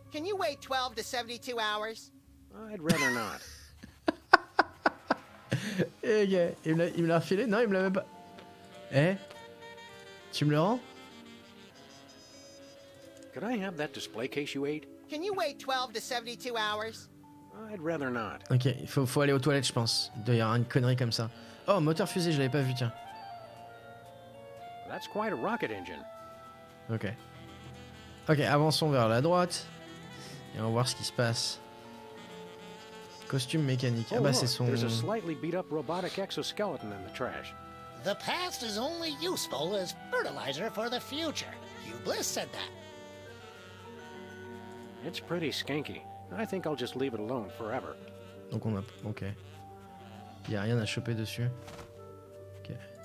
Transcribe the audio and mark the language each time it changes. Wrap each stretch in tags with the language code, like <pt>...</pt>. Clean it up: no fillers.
<en>Can you wait 12 to 72 hours? I'd rather not.</en> <fr>il me l'a refilé. Non, il me l'a même pas. Eh? Tu me le rends?</fr> <en>Could I have that display case you ate? Can you wait 12 to 72 hours? I'd rather not.</en> <fr>Ok, il faut aller aux toilettes, je pense. Il doit y avoir une connerie comme ça. Oh, moteur fusée, je l'avais pas vu, tiens.</fr> <en>That's quite a rocket engine.</en> <fr>Ok. Ok, avançons vers la droite. Et on va voir ce qui se passe. Costume mécanique. Oh, ah bah</fr> <en>look,</en> <fr>c'est son...</fr> <en>There's a slightly beat up robotic exoskeleton in the trash. The past is only useful as fertilizer for the future. Hugh Bliss said that. It's pretty skanky. I think I'll just leave it alone forever.</en> <fr>Donc on a... Ok. Y'a rien à choper dessus. Ok.</fr>